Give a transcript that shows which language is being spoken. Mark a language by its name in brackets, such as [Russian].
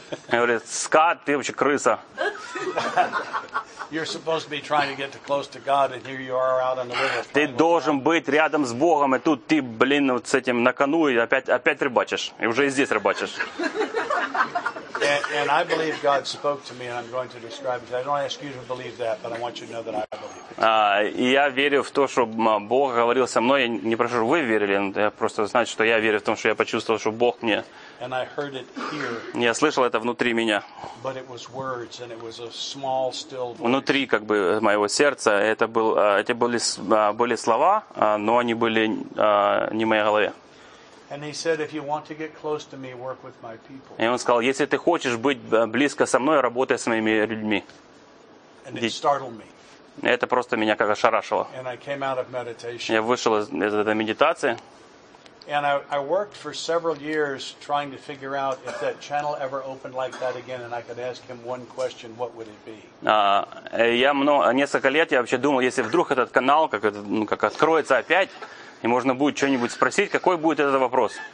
[Russian] Говорит, Скотт, ты вообще крыса. [English] You're supposed to be trying to get close to God, and here you are out on the river. [Russian] Ты должен быть рядом с Богом, и тут ты, блин, вот с этим на кону и опять рыбачишь, и уже и здесь рыбачишь. [English] And I believe God spoke to me, and I'm going to describe it. I don't ask you to believe that, but I want you to know that I believe it. [Russian] Я верю в то, что Бог говорил со мной. Я не прошу, чтобы вы верили, но я просто знаю, что я верю в том, что я почувствовал, что Бог мне. [English] And I heard it here. [Russian] Я слышал это внутри меня. [English] But it was words, and it was a small, still voice. [Russian] Внутри, как бы моего сердца, это были слова, но они были не в моей голове. [English] And he said, "If you want to get close to me, work with my people." [Russian] И он сказал, если ты хочешь быть близко со мной, работай с моими людьми. [English] And it startled me. [Russian] Это просто меня как ошарашило. [English] And I came out of meditation. [Russian] Я вышел из этой медитации. [English] And I worked for several years trying to figure out if that channel ever opened like that again, and I could ask him one question, what would it be? [Russian] Несколько лет я вообще думал, если вдруг этот канал как откроется опять. И можно будет что-нибудь спросить, какой будет этот вопрос.